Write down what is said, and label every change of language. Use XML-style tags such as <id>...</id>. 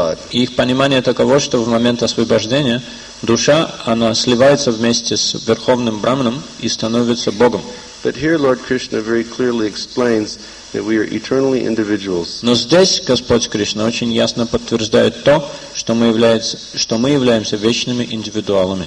<ru>Их понимание таково, что в момент освобождения душа, она сливается вместе с Верховным Браманом и становится Богом.</ru> <en>But here Lord Krishna very clearly explains that we are eternally individuals.</en> <ru>Но здесь Господь Кришна очень ясно подтверждает то, что мы являемся вечными индивидуалами.</ru>